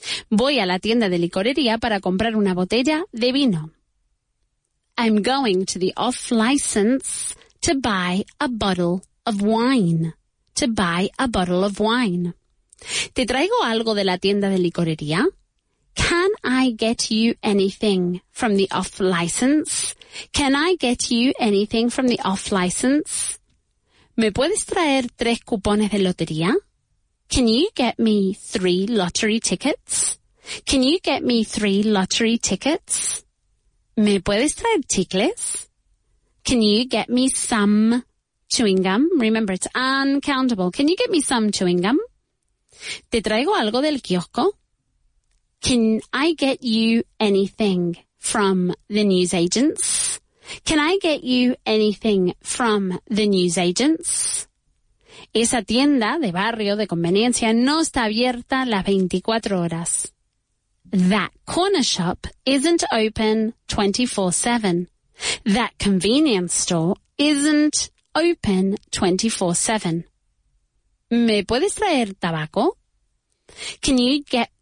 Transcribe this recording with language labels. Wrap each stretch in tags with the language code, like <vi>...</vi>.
<es>Voy a la tienda de licorería para comprar una botella de vino.</es> <en>I'm going to the off license to buy a bottle of wine. To buy a bottle of wine.</en> <es>¿Te traigo algo de la tienda de licorería?</es> <en>Can I get you anything from the off license? Can I get you anything from the off license?</en> <es>¿Me puedes traer 3 cupones de lotería?</es> <en>Can you get me 3 lottery tickets? Can you get me 3 lottery tickets?</en> <es>¿Me puedes traer chicles?</es> <en>Can you get me some chewing gum? Remember, it's uncountable. Can you get me some chewing gum?</en> <es>¿Te traigo algo del kiosco?</es> <en>Can I get you anything from the newsagents? Can I get you anything from the newsagents?</en> <es>Esa tienda de barrio de conveniencia no está abierta las 24 horas.</es> <en>That corner shop isn't open 24/7. That convenience store isn't open 24/7.</en> <es>¿Me puedes traer tabaco?</es> <en>Can you get</en>